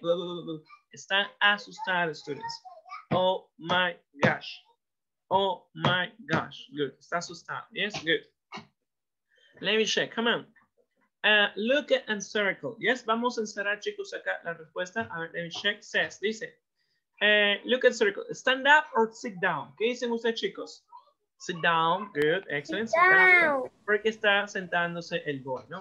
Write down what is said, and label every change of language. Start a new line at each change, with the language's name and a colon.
English: Blah, blah, blah, blah.
Spanish: Están asustados,
English: students. Oh my gosh. Oh my gosh. Good.
Spanish: Está asustado.
English: Yes, good. Let me check. Come on. Look at and circle. Yes,
Spanish: vamos a encerrar, chicos, acá la respuesta. A ver,
English: let me check. Says,
Spanish: dice,
English: look and circle. Stand up or sit down.
Spanish: ¿Qué dicen ustedes, chicos?
English: Sit down. Good. Excellent. Sit down.
Spanish: Porque está sentándose el
English: boy,
Spanish: ¿no?